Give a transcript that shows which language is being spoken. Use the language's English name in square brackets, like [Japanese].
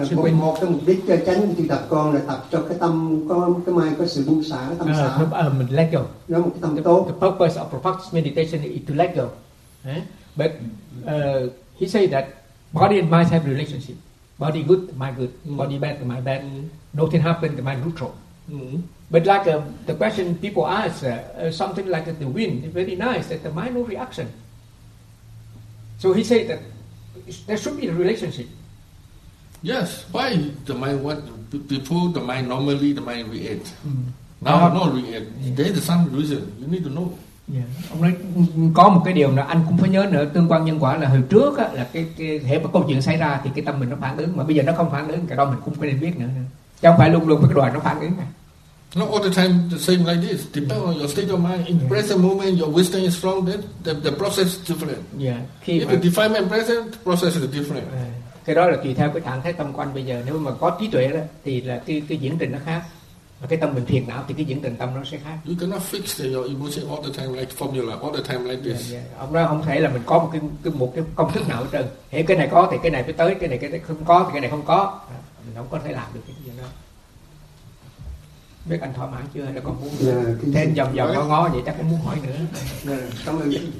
[Vietnamese] Một cái mục đích cho tránh tu tập con là tập cho cái tâm có cái mai có sự buông xả, tâm xả. Mình [English] let go. [Vietnamese] Nó một cái tâm [English] the, [Vietnamese] tốt. [English] The purpose of practice meditation is to let go. But he say that body and mind have relationship. Body good, mind good. Body bad, mind bad. Nothing happened, the mind neutral. But like the question people ask, something like the wind, very nice, that the mind no reaction. So he said that there should be a relationship. Yes. Why the mind? What before the mind normally the mind react. Now not react. Yeah. There is some reason. You need to know. Yeah. [Vietnamese] Ông nói có một cái điều là anh cũng phải nhớ nữa, tương quan nhân quả là hồi trước á, là cái hệ mà câu chuyện xảy ra thì cái tâm mình nó phản ứng, mà bây giờ nó không phản ứng, cái đó mình cũng phải nên biết nữa. Chứ không phải luôn luôn cái đoàn nó phản ứng. [English] Not all the time the same like this. Depends on your state of mind. In present moment, your wisdom is strong. Then the process is different. Yeah. Khi if you define my present, the process is different. [Vietnamese] Cái đó là tùy theo cái trạng thái tâm quan bây giờ. Nếu mà có trí tuệ đó, thì là cái diễn trình nó khác. Mà cái tâm mình thiền não thì cái diễn trình tâm nó sẽ khác. [English] You cannot fix your emotion all the time like formula all the time like this. Yeah. [Vietnamese] Ông nói không thể là mình có một cái công thức nào hết trơn. Hễ cái này có thì cái này phải tới. Cái này không có thì cái này không có. Mình không có thể làm được cái gì đó. Biết anh thỏa mãn chưa hay là còn muốn thêm dòng dòng ngó vậy chắc cũng muốn hỏi nữa. Cảm ơn.